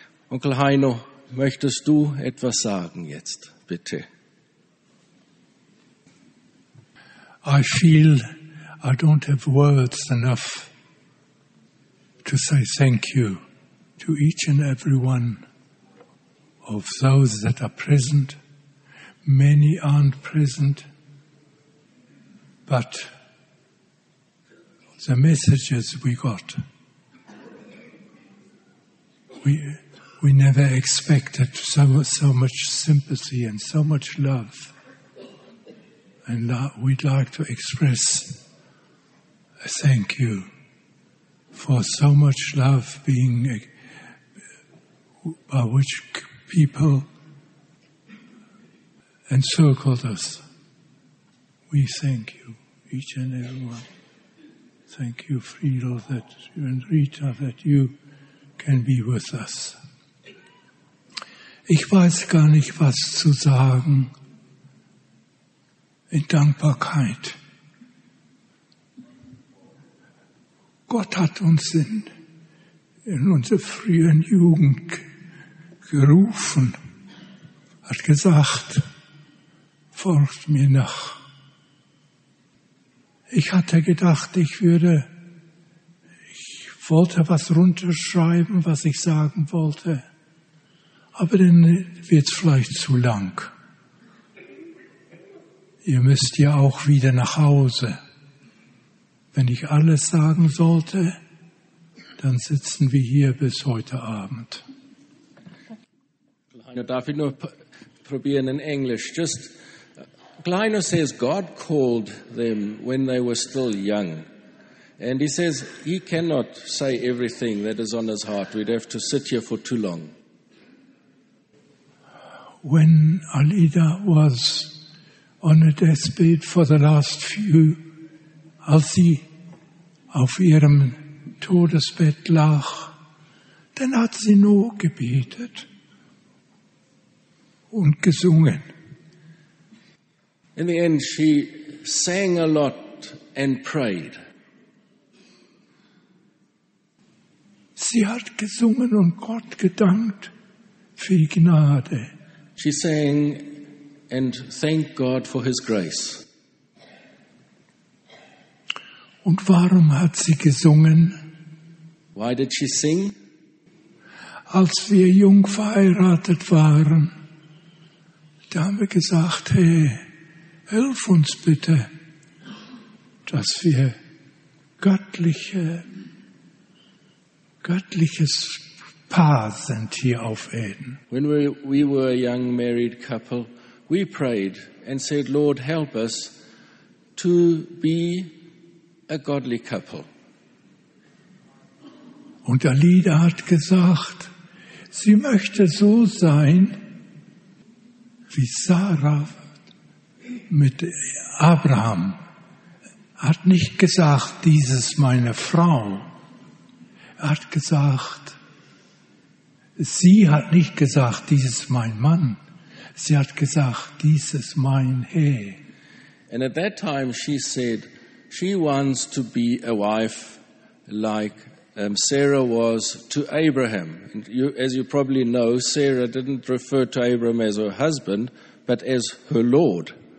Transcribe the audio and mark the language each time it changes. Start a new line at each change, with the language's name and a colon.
German: Uncle Heino, möchtest du etwas sagen jetzt, bitte?
English: I feel I don't have words enough to say thank you to each and every one of those that are present. Many aren't present, but the messages we got, we never expected so much sympathy and so much love. And we'd like to express a thank you for so much love being by which people encircled us. We thank you, each and every one. Thank you, Friedel, that you and Rita, that you can be with us.
German: Ich weiß gar nicht, was zu sagen in Dankbarkeit. Gott hat uns in unserer frühen Jugend gerufen, hat gesagt, folgt mir nach. Ich hatte gedacht, ich wollte was runterschreiben, was ich sagen wollte, aber dann wird's vielleicht zu lang. Ihr müsst ja auch wieder nach Hause. Wenn ich alles sagen sollte, dann sitzen wir hier bis heute Abend. Kleiner, darf ich nur probieren in Englisch?
English: Just, Kleiner says, God called them when they were still young. And he says, he cannot say everything that is on his heart. We'd have to sit here for too long. When Alida was on a deathbed for the last few,
German: als sie auf ihrem Todesbett lag, dann hat sie nur gebetet und gesungen.
English: In the end, she sang a lot and prayed.
German: Sie hat gesungen und Gott gedankt für die Gnade.
English: She sang and thanked God for his grace.
German: Und warum hat sie gesungen?
English: Why did she sing?
German: Als wir jung verheiratet waren, da haben wir gesagt, hey, hilf uns bitte, dass wir göttliches Paar sind hier auf Erden.
English: When we were a young married couple, we prayed and said, Lord, help us to be a godly couple.
German: Und Alida hat gesagt, sie möchte so sein wie Sarah mit Abraham. Hat nicht gesagt, dieses meine Frau. Hat gesagt, sie hat nicht gesagt, dieses mein Mann. Sie hat gesagt, dieses mein Herr.
English: And at that time she said, she wants to be a wife like Sarah was to Abraham. And you, as you probably know, Sarah didn't refer to Abraham as her husband, but as her Lord.